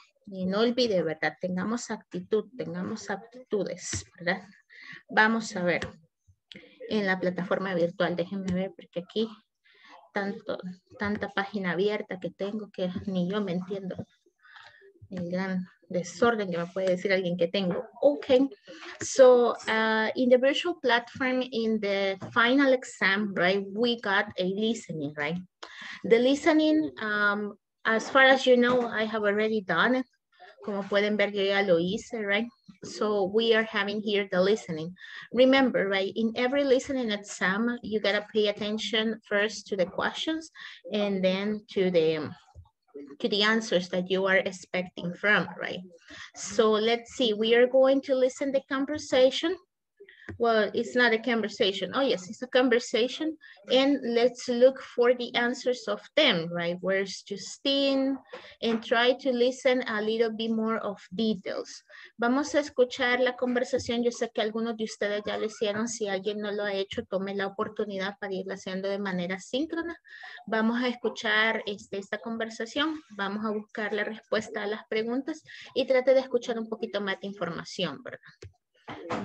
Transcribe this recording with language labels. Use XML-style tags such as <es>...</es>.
<es>Y no olvide, ¿verdad? Tengamos aptitudes, ¿verdad? Vamos a ver. En la plataforma virtual, déjenme ver, porque aquí tanta página abierta que tengo que ni yo me entiendo el gran desorden que me puede decir alguien que tengo.</es> <en>Okay, so in the virtual platform, in the final exam, right, we got a listening, right? The listening, as far as you know, I have already done it.</en> <es>Como pueden ver, yo ya lo hice, right?</es> <en>So we are having here the listening. Remember, right, in every listening exam, you gotta pay attention first to the questions and then to the answers that you are expecting from, right? So let's see, we are going to listen to the conversation. Well, it's not a conversation. Oh yes, it's a conversation. And let's look for the answers of them, right? Where's Justine? And try to listen a little bit more of details.</en> <es>Vamos a escuchar la conversación. Yo sé que algunos de ustedes ya lo hicieron. Si alguien no lo ha hecho, tome la oportunidad para irla haciendo de manera síncrona. Vamos a escuchar esta conversación. Vamos a buscar la respuesta a las preguntas y trate de escuchar un poquito más de información, ¿verdad?</es>